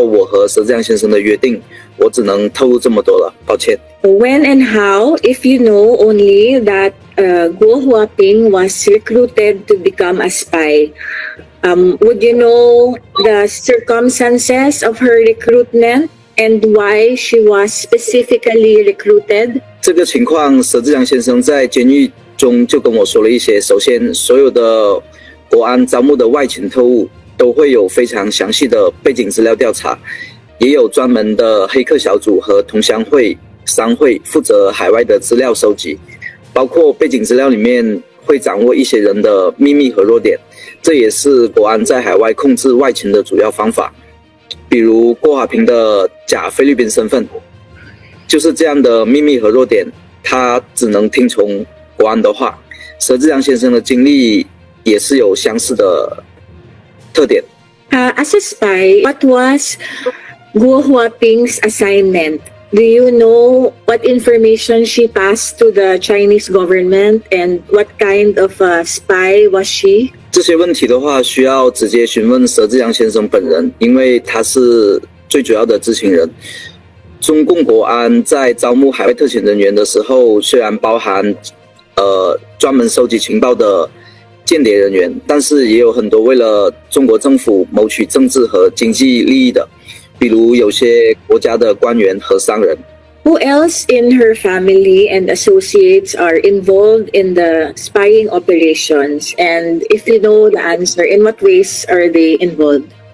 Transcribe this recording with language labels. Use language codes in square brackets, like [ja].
[zh] 其实佘志良先生保管的解密档案的内容非常多，而且我也只是在他授权下解密了一部分内容而已。郭华平并不是什么特殊的，只是正好有一份他的国安背景的资料在里面。他的情况和佘志良先生有很多相似的点，我也只能说到这里了，因为我不是佘志良先生本人。按照我和佘志良先生的约定， 我只能透露这么多了，抱歉。 [en] When and how, if you know only that Guo Huaping was recruited to become a spy, would you know the circumstances of her recruitment and why she was specifically recruited? [zh] 这个情况，佘志良先生在监狱中就跟我说了一些。首先，所有的国安招募的外勤特务都会有非常详细的背景资料调查。也有专门的黑客小组和同乡会、商会负责海外的资料收集，包括背景资料里面会掌握一些人的秘密和弱点，这也是国安在海外控制外勤的主要方法。比如郭华平的假菲律宾身份，就是这样的秘密和弱点，他只能听从国安的话。佘志良先生的经历也是有相似的特点。 [en] As a spy, what was Guo Huaping's assignment, do you know what information she passed to the Chinese government and what kind of a spy was she? [zh] 这些问题的话，需要直接询问佘志阳先生本人，因为他是最主要的知情人。中共国安在招募海外特遣人员的时候，虽然包含专门收集情报的间谍人员，但是也有很多为了中国政府谋取政治和经济利益的。比如有些国家的官员和商人。 [en] Who else in her family and associates are involved in the spying operations? And if you know the answer, in what ways are they involved?